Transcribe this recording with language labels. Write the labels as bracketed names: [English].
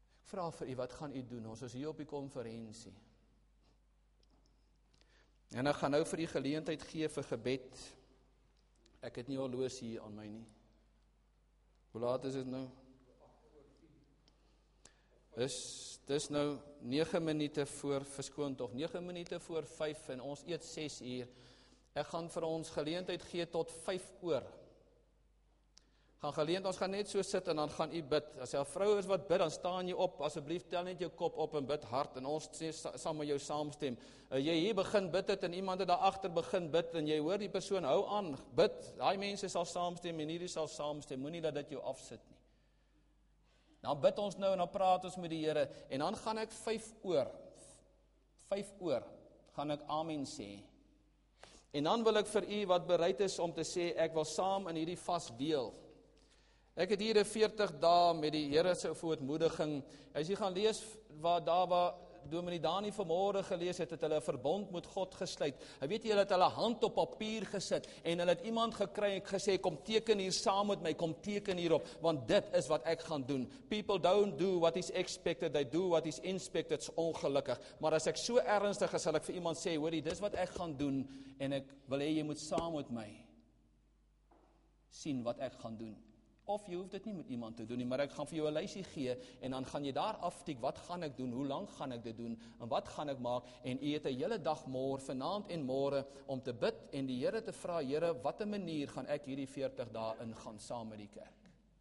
[Afrikaans] Ek vra vir u, wat gaan u doen? Ons is hier op die konferensie. En ek gaan nou vir u geleentheid gee vir gebed. Ek het nie horlosie hier aan my nie. Hoe laat is dit nou? Dis nou 9 minute voor, verskoon tog, 9 minute voor 5 en ons eet 6 uur. Ek gaan vir ons geleentheid gee tot 5 oor. Gaan geleent, ons gaan net so sit en dan gaan u bid. As jou vrou is wat bid, dan staan jy op. Asseblief tel net jou kop op en bid hard en ons saam met jou saamstem. Jy hier begin bid het en iemand het daar achter begin bid en jy hoor die persoon, hou aan, bid. Daai mense sal saamstem en hierdie sal saamstem. Moenie dat dit jou afsit nie. Dan bid ons nou en dan praat ons met die Here en dan gaan ek 5 oor gaan ek amen sê. En dan wil ek vir u wat bereid is om te sê, ek wil saam in hierdie vas deel. Ek het hier 40 dae met die Here se voortmoediging. As jy gaan lees waar daar waar Dominee Dani vanmorgen gelees het, het hulle verbond met God gesluit. Hy weet jy, hulle het hulle hand op papier gesit en hulle het iemand gekry en gesê, kom teken hier saam met my, kom teken hierop, want dit is wat ek gaan doen. [English] People don't do what is expected, they do what is inspected, [Afrikaans] is ongelukkig. Maar as ek so ernstig is, sal ek vir iemand sê, hoor jy, dis wat ek gaan doen en ek wil hê jy moet saam met my sien wat ek gaan doen. Of jy hoef dit nie met iemand te doen nie, maar ek gaan vir jou een lysie gee, en dan gaan jy daar aftiek, wat gaan ek doen, hoe lang gaan ek dit doen, en wat gaan ek maak, en jy het een hele dag morgen, vanavond en morgen, om te bid, en die Here te vraag, Here, wat een manier gaan ek hierdie 40 dae in gaan, saam met die kerk.